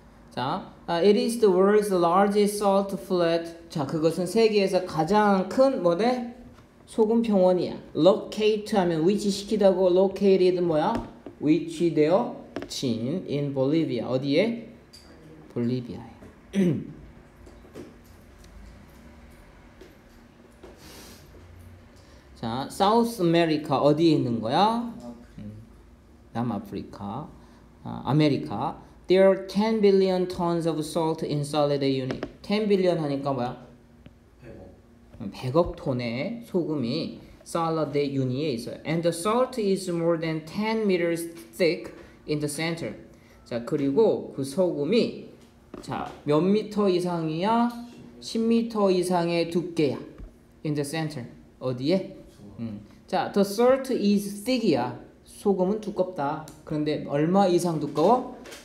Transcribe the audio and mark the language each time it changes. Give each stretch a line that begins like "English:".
English: 자, it is the world's largest salt flat.
Korean: 자, 그것은 세계에서 가장 큰 뭐래? 소금 평원이야. Locate 하면 위치 시키다고 located 뭐야? 위치되어 진
English: in Bolivia.
Korean: 어디에? 볼리비아에. 자, South America 어디에 있는 거야? 남아프리카. 아메리카.
English: There are 10 billion tons of salt in solid unit.
Korean: 10 billion 하니까 뭐야? 100억 톤의 소금이 salad unit에 있어요.
English: And the salt is more than 10 meters thick in the center.
Korean: 자, 그리고 그 소금이 자, 몇 미터 이상이야? 10미터 이상의 두께야.
English: In the center.
Korean: 어디에? 자,
English: the salt is thick
Korean: 이야. 소금은 두껍다. 그런데 얼마 이상 두꺼워?